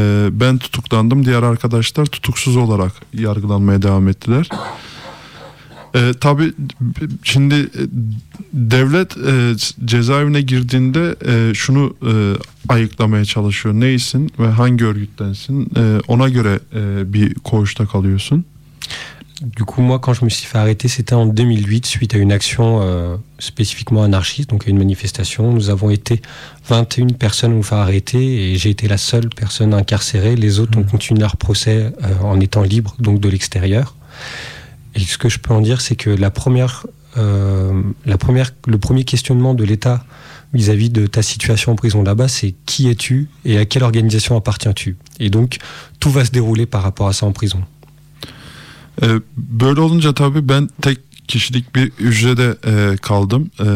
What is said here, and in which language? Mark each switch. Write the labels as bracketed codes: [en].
[tr] Ben tutuklandım. Diğer arkadaşlar tutuksuz olarak yargılanmaya devam ettiler. Tabii şimdi devlet cezaevine girdiğinde şunu ayıklamaya çalışıyor. Neysin ve hangi örgüttensin? Ona göre bir koğuşta kalıyorsun. [fr] Du coup moi quand je me suis fait arrêter c'était en 2008 suite à une action spécifiquement anarchiste, donc à une manifestation. Nous avons été 21 personnes à nous faire arrêter et j'ai été la seule personne incarcérée. Les autres ont continué leur procès en étant libres, donc de l'extérieur. Et ce que je peux en dire, c'est que le premier questionnement de l'État vis-à-vis de ta situation en prison là-bas, c'est qui es-tu et à quelle organisation appartiens-tu? Et donc tout va se dérouler par rapport à ça en prison. [tr] Böyle olunca tabii ben tek kişilik bir hücrede kaldım.